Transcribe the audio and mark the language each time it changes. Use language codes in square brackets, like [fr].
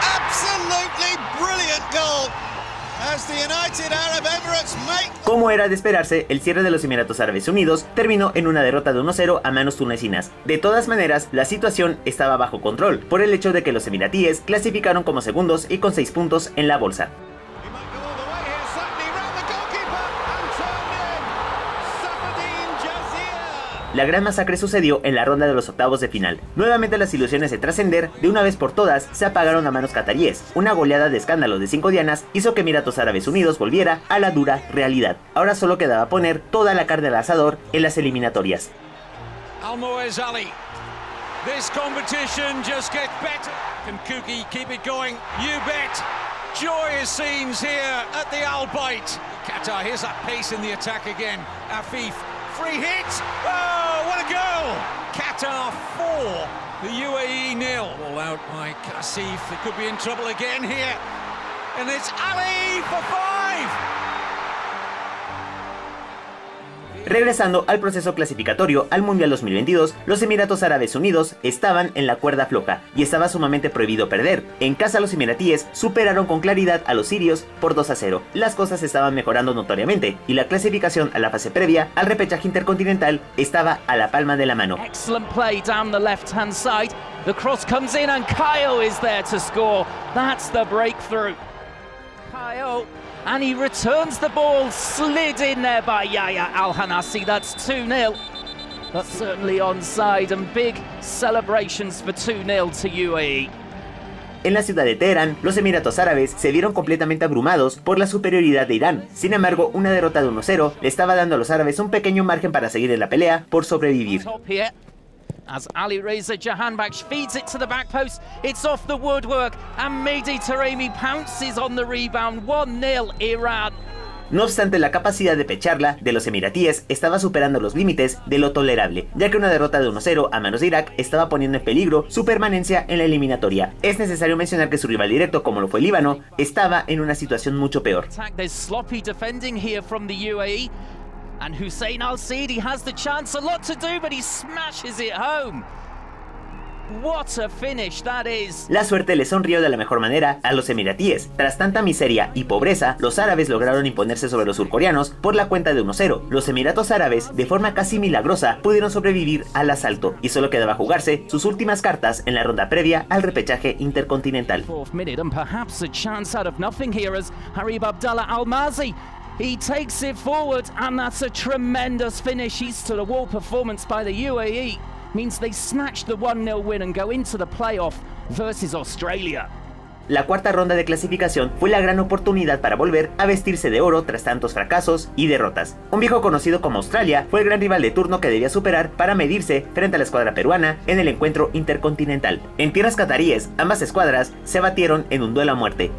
[en] Absolutely brilliant goal! As the United Arab Emirates make... [es] Como era de esperarse, el cierre de los Emiratos Árabes Unidos terminó en una derrota de 1-0 a manos tunecinas. De todas maneras, la situación estaba bajo control por el hecho de que los emiratíes clasificaron como segundos y con 6 puntos en la bolsa. La gran masacre sucedió en la ronda de los octavos de final. Nuevamente las ilusiones de trascender, de una vez por todas, se apagaron a manos cataríes. Una goleada de escándalo de 5 dianas hizo que Emiratos Árabes Unidos volviera a la dura realidad. Ahora solo quedaba poner toda la carne al asador en las eliminatorias. [en] Al-Muez Ali. This competition just gets better. Can Kuki keep it going? You bet. Joyous scenes here at the Al Bayt. Qatar, here's that pace in the attack again. Afif. Free hit! Oh, what a goal! Qatar 4, the UAE 0. Ball out by Kassif, they could be in trouble again here. And it's Ali for 5! [es] Regresando al proceso clasificatorio al Mundial 2022, los Emiratos Árabes Unidos estaban en la cuerda floja y estaba sumamente prohibido perder. En casa los emiratíes superaron con claridad a los sirios por 2-0. Las cosas estaban mejorando notoriamente y la clasificación a la fase previa al repechaje intercontinental estaba a la palma de la mano. [en] Excellent play down the left hand side. The cross comes in and Kyle is there to score. That's the breakthrough. Kyle. And he returns the ball, slid in there by Yahya Al-Hanassi. That's 2-0. That's certainly onside and big celebrations for 2-0 to UAE. [es] En la ciudad de Teherán, los Emiratos Árabes se vieron completamente abrumados por la superioridad de Irán. Sin embargo, una derrota de 1-0 le estaba dando a los árabes un pequeño margen para seguir en la pelea por sobrevivir. [en] As Ali Reza Jahanbakhsh feeds it to the back post, it's off the woodwork, and Mehdi Taremi pounces on the rebound, 1-0 Iran. [es] No obstante, la capacidad de pecharla de los emiratíes estaba superando los límites de lo tolerable, ya que una derrota de 1-0 a manos de Irak estaba poniendo en peligro su permanencia en la eliminatoria. Es necesario mencionar que su rival directo, como lo fue Líbano, estaba en una situación mucho peor. [en] There's sloppy defending here from the UAE. And Hussein Al-Sidi has the chance, a lot to do, but he smashes it home. What a finish that is. [es] La suerte le sonrió de la mejor manera a los emiratíes. Tras tanta miseria y pobreza, los árabes lograron imponerse sobre los surcoreanos por la cuenta de 1-0. Los Emiratos Árabes, de forma casi milagrosa, pudieron sobrevivir al asalto y solo quedaba jugarse sus últimas cartas en la ronda previa al repechaje intercontinental. [en] Fourth minute and perhaps a chance out of nothing here as Harib Abdallah Al-Mazi. He takes it forward and that's a tremendous finish. He's to the wall performance by the UAE means they snatch the 1-0 win and go into the playoff versus Australia. [es] La cuarta ronda de clasificación fue la gran oportunidad para volver a vestirse de oro tras tantos fracasos y derrotas. Un viejo conocido como Australia fue el gran rival de turno que debía superar para medirse frente a la escuadra peruana en el encuentro intercontinental. En tierras cataríes, ambas escuadras se batieron en un duelo a muerte.